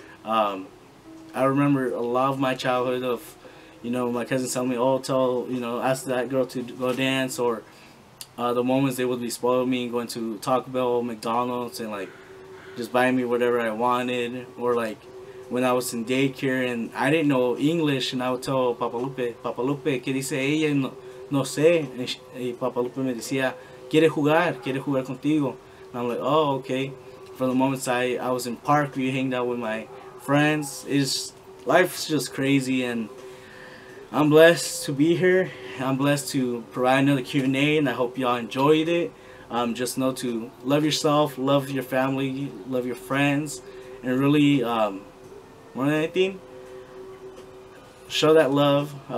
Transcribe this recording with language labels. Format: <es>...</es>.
<en>I remember a lot of my childhood of, you know, my cousins telling me, oh, tell, you know, ask that girl to go dance, or the moments they would be spoiling me and going to Taco Bell, McDonald's, and like just buying me whatever I wanted. Or like when I was in daycare and I didn't know English, and I would tell Papa Lupe,</en> <es>¿qué dice ella? No sé. Y Papa Lupe me decía, quiere jugar contigo.</es> <en>And I'm like, oh, okay. From the moments I was in park, we hanged out with my friends. Life's just crazy, and I'm blessed to be here. I'm blessed to provide another Q&A, and I hope y'all enjoyed it. Just know to love yourself, love your family, love your friends, and really, more than anything, show that love.</en>